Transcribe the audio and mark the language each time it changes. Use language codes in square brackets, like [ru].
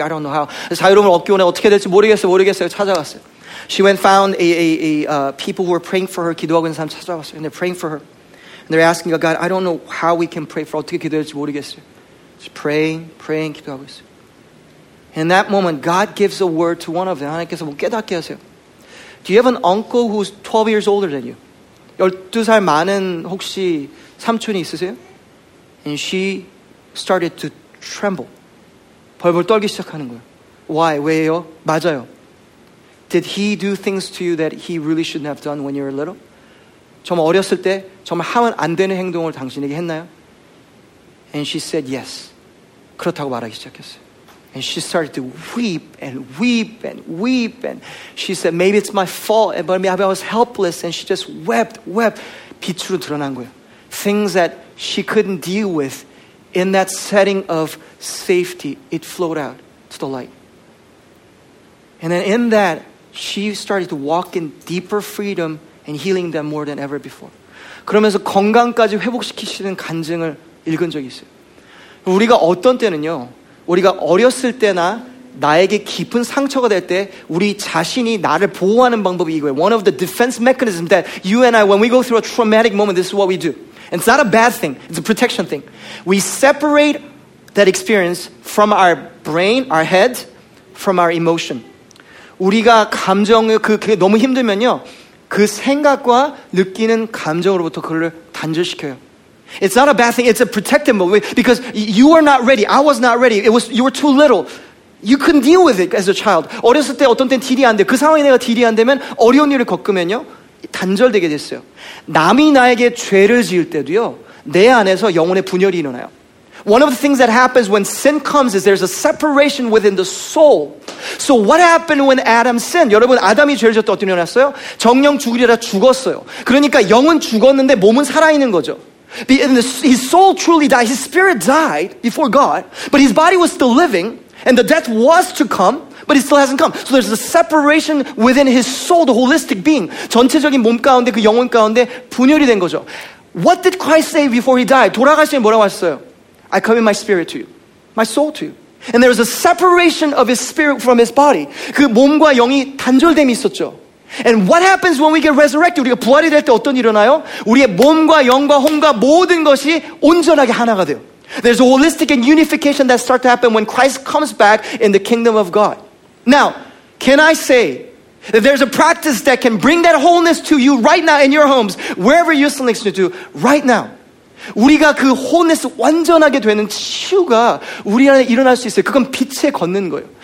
[en] I don't know how. [ko] 자유로움을 얻기 원해 어떻게 될지 모르겠어요. 찾아갔어요. [en] She went and found people who were praying for her, [ko] 기도하고 있는 사람 찾아갔어요. [en] And they're praying for her. And they're asking God, I don't know how we can pray for her. [ko] 어떻게 기도할지 모르겠어요. [en] She's praying, [ko] 기도하고 있어요. [en] In that moment, God gives a word to one of them. [ko] 하나님께서 뭐 깨닫게 하세요. [en] Do you have an uncle who's 12 years older than you? [ko] 12살 많은 혹시 삼촌이 있으세요? [en] And she started to tremble. [ko] 벌벌 떨기 시작하는 거예요. [en] Why? [ko] 왜요? 맞아요. [en] Did he do things to you that he really shouldn't have done when you were little? [ko] 정말 어렸을 때 정말 하면 안 되는 행동을 당신에게 했나요? [en] And she said yes. [ko] 그렇다고 말하기 시작했어요. [en] And she started to weep and weep and weep. And she said, maybe it's my fault. But maybe I was helpless. And she just wept. [ko] 빛으로 드러난 거예요. [en] Things that she couldn't deal with in that setting of safety, it flowed out to the light. And then in that, she started to walk in deeper freedom and healing them more than ever before. [ko] 그러면서 건강까지 회복시키시는 간증을 읽은 적이 있어요. 우리가 어떤 때는요. 우리가 어렸을 때나 나에게 깊은 상처가 될 때 우리 자신이 나를 보호하는 방법이 이거예요. [en] One of the defense mechanisms that you and I, when we go through a traumatic moment, this is what we do. And it's not a bad thing. It's a protection thing. We separate that experience from our brain, our head, from our emotion. [ko] 우리가 감정을 그게 너무 힘들면요. 그 생각과 느끼는 감정으로부터 그걸 단절시켜요. [en] It's not a bad thing. It's a protective move. Because you are not ready. I was not ready. You were too little. You couldn't deal with it as a child. [ko] 어렸을 때 어떤 때는 딜이 안 돼. 그 상황에 내가 딜이 안 되면 어려운 일을 겪으면요. 단절되게 됐어요. 남이 나에게 죄를 지을 때도요, 내 안에서 영혼의 분열이 일어나요. [en] One of the things that happens when sin comes is there's a separation within the soul. So what happened when Adam sinned? [ko] 여러분, 아담이 죄를 지었을 때 어떻게 일어났어요? 정령 죽으리라 죽었어요. 그러니까 영은 죽었는데 몸은 살아있는 거죠. [en] His soul truly died. His spirit died before God, but his body was still living, and the death was to come, but it still hasn't come. So there's a separation within his soul, the holistic being. [ko] 전체적인 몸 가운데, 그 영혼 가운데 분열이 된 거죠. [en] What did Christ say before he died? [ko] 돌아가실 때 뭐라고 하셨어요? [en] I come in my spirit to you, my soul to you. And there was a separation of his spirit from his body. [ko] 그 몸과 영이 단절됨이 있었죠. [en] And what happens when we get resurrected? [ko] 우리가 부활이 될 때 어떤 일이 일어나요? 우리의 몸과 영과 혼과 모든 것이 온전하게 하나가 돼요. [en] There's a holistic and unification that starts to happen when Christ comes back in the kingdom of God. Now, can I say that there's a practice that can bring that wholeness to you right now in your homes, wherever you're listening to, right now. [ko] 우리가 그 wholeness 완전하게 되는 치유가 우리 안에 일어날 수 있어요. 그건 빛에 걷는 거예요.